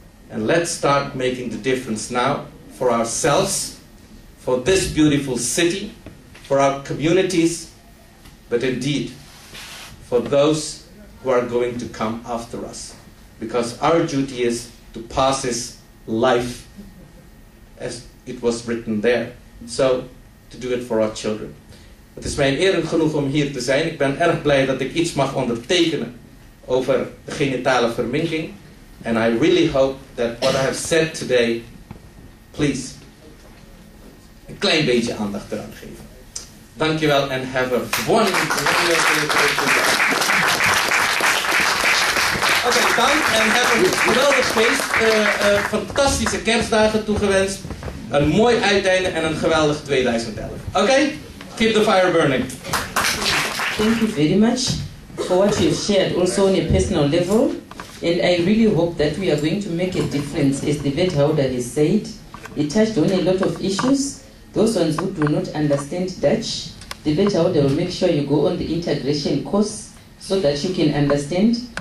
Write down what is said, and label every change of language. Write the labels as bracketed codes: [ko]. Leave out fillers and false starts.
[en] And let's start making the difference now for ourselves, for this beautiful city, for our communities, but indeed for those who are going to come after us. Because our duty is to pass his life, as it was written there. So, to do it for our children. [nl] Het is mij een eer en genoeg om hier te zijn. Ik ben erg blij dat ik iets mag ondertekenen over de genitale verminking. [en] And I really hope that what I have said today, please, [nl] een klein beetje aandacht eraan geven. Dankjewel en [en] have a wonderful day. [nl] Oké, dank en [en] have a [nl] geweldig feest. Fantastische kerstdagen toegewenst. Een mooi uiteinde en een geweldig 2011. [en] Oké? Keep the fire burning. Thank you very much for what you've shared, also on a personal level. And I really hope that we are going to make a difference, as the Wethouder has said. It touched on a lot of issues. Those ones who do not understand Dutch, the Wethouder will make sure you go on the integration course so that you can understand.